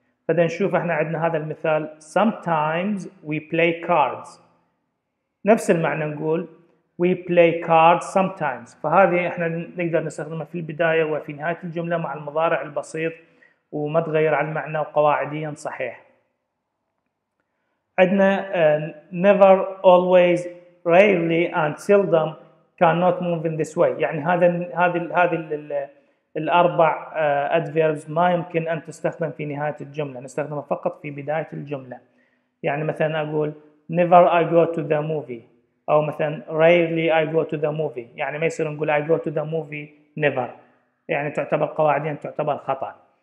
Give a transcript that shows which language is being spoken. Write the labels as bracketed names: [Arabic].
[Arabic] فده نشوف احنا عندنا هذا المثال [English] sometimes we play cards، [Arabic] نفس المعنى نقول [English] we play cards sometimes، [Arabic] فهذه احنا نقدر نستخدمها في البداية وفي نهاية الجملة مع المضارع البسيط وما تغير على المعنى وقواعديا صحيح. عندنا [English] never, always, rarely and seldom cannot move in this way. [Arabic] يعني هذه الأربع adverbs ما يمكن أن تستخدم في نهاية الجملة، نستخدمها فقط في بداية الجملة. يعني مثلا أقول [English] never I go to the movie، [Arabic] أو مثلا [English] rarely I go to the movie، [Arabic] يعني ما يصير نقول [English] I go to the movie never، [Arabic] يعني تعتبر قواعديا تعتبر خطأ.